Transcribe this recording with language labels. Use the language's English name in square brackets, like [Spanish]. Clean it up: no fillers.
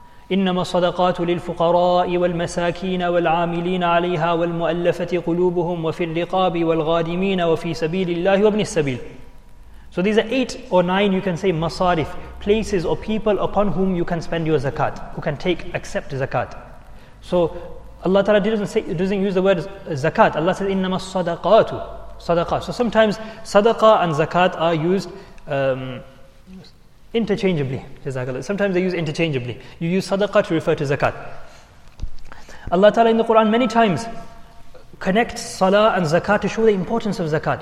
[Arabic] إِنَّمَا الصَّدَقَاتُ لِلْفُقَرَاءِ وَالْمَسَاكِينَ وَالْعَامِلِينَ عَلَيْهَا وَالْمُؤَلَّفَةِ قُلُوبُهُمْ وَفِي الرِّقَابِ وَالْغَادِمِينَ وَفِي سَبِيلِ اللَّهِ وَابْنِ السَّبِيلِ. [English] So these are 8 or 9, you can say, masarif, places or people upon whom you can spend your zakat, who can take, accept zakat. So Allah Ta'ala doesn't use the word zakat. Allah says, [Arabic] إِنَّمَا الصَّدَقَاتُ صَدَقَاتُ. [English] So sometimes sadaqah and zakat are used interchangeably. Sometimes they use interchangeably. You use sadaqah to refer to zakat. Allah Ta'ala in the Quran many times connects salah and zakat to show the importance of zakat.